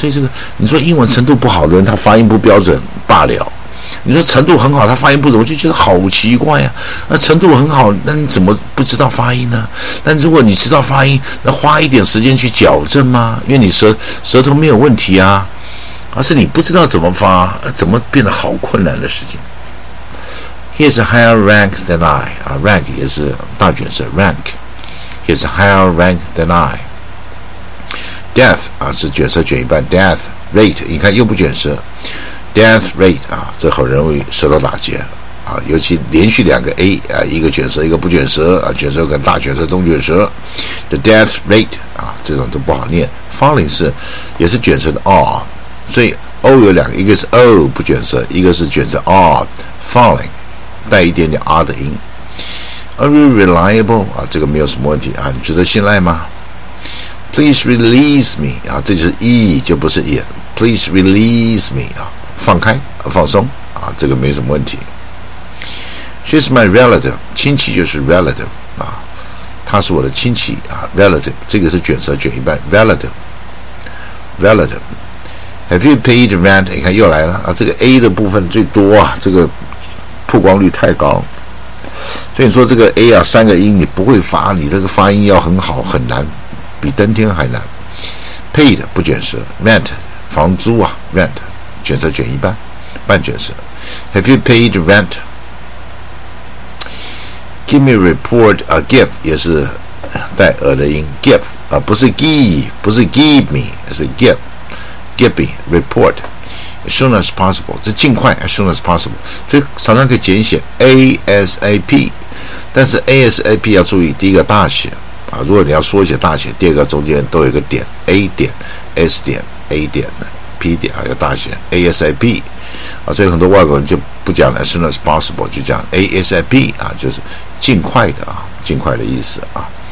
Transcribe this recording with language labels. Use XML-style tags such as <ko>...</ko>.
<zh>所以这个你说英文程度不好的人，他发音不标准罢了；你说程度很好，他发音不准，我就觉得好奇怪呀。那程度很好，那你怎么不知道发音呢？但如果你知道发音，那花一点时间去矫正吗？因为你舌头没有问题啊。而是你不知道怎么发，怎么变得好困难的事情。</zh> <en>He is a higher rank than I 啊 ，rank 也是大卷舌 ，rank。 He is a higher rank than I。</en> <zh>Death 啊，是卷舌卷一半 ，death rate 你看又不卷舌 ，death rate 啊，这很容易舌头打结啊，尤其连续两个 A 啊，一个卷舌，一个不卷舌啊，卷舌跟大卷舌、中卷舌 ，the death rate 啊，这种都不好念。 Falling 是也是卷舌的 R。所以 O 有两个，一个是 O 不卷舌，一个是卷舌 R falling 带一点点 R 的音。</zh> <en>Are you reliable</en> <zh>啊，这个没有什么问题啊，你值得信赖吗？</zh> <en>Please release me</en> <zh>啊，这就是 E 就不是 E。</zh> <en>Please release me</en> <zh>啊，放开啊，放松啊，这个没什么问题。</zh> <en>She's my relative</en> <zh>亲戚就是 relative 啊，她是我的亲戚啊 relative 这个是卷舌卷一半 relative。</zh> <en>Have you paid rent？</en> <zh>你看又来了啊！这个 A 的部分最多啊，这个曝光率太高，所以说这个 A 啊，三个音你不会发，你这个发音要很好很难，比登天还难。 Paid 不卷舌 ，rent 房租啊 ，rent 卷舌卷一半，半卷舌。</zh> <en>Have you paid rent？Give me a report 啊 ，give</en> <zh>也是带耳的音</zh> <en>，give 啊，不是 give， 不是 give me， 是 give。 Gibby report as soon as possible，</en> <zh>这尽快</zh> <en>as soon as possible， 所以常常可以简写 ASAP，</en> <zh>但是 ASAP 要注意，第一个大写啊，如果你要缩写大写，第二个中间都有一个点 A 点 S 点 A 点 P 点啊，要大写 ASAP 啊，所以很多外国人就不讲 as soon as possible， 就讲 ASAP 啊，就是尽快的啊，尽快的意思啊。</zh>